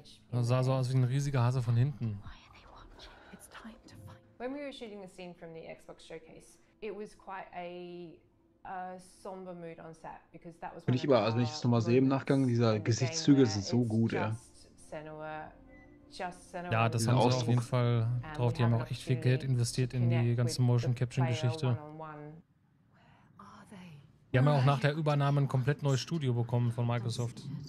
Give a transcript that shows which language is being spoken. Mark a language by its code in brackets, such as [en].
[de] Das sah so aus wie ein riesiger Hase von hinten. [en] When we were shooting the scene from the Xbox showcase, it was quite a somber mood on set because that was. [de] Bin ich über, also wenn ich das nochmal sehe im Nachgang, dieser Gesichtszüge sind so gut, ja. Ja, das haben sie auf jeden Fall drauf. Die haben auch echt viel Geld investiert in die ganze Motion Capture Geschichte. Die haben ja auch nach der Übernahme ein komplett neues Studio bekommen von Microsoft.